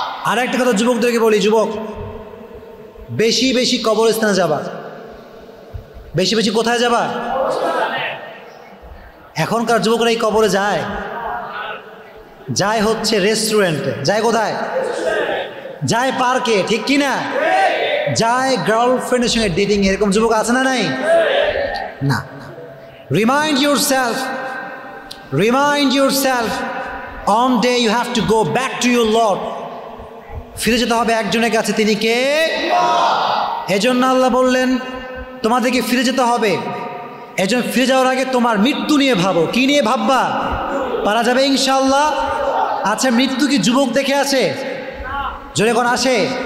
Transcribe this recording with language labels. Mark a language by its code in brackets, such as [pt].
[bn] আর একটা কথা যুবকদেরকে বলি, যুবক বেশি বেশি কবরস্থানে যাবা, বেশি বেশি কোথায় যাবা? এখনকার যুবকরা এই কবরে যায়, যায় হচ্ছে রেস্টুরেন্টে, যায় কোথায়? যায় পার্কে, ঠিক কি না? যায় গার্লফ্রেন্ডের সঙ্গে ডেটিং, এরকম যুবক আছে না? নাই না। [en] Remind yourself, remind yourself, on day you have to go back to your Lord. [bn] ফিরে যেতে হবে একজনের কাছে, তিনি কে? এজন্য আল্লাহ বললেন তোমাদেরকে ফিরে যেতে হবে, এজন ফিরে যাওয়ার আগে তোমার মৃত্যু নিয়ে ভাবো, কি নিয়ে ভাববা? পারা যাবে ইনশাল্লাহ। আচ্ছা মৃত্যু কি যুবক দেখে আসে? জোরে কোন আসে?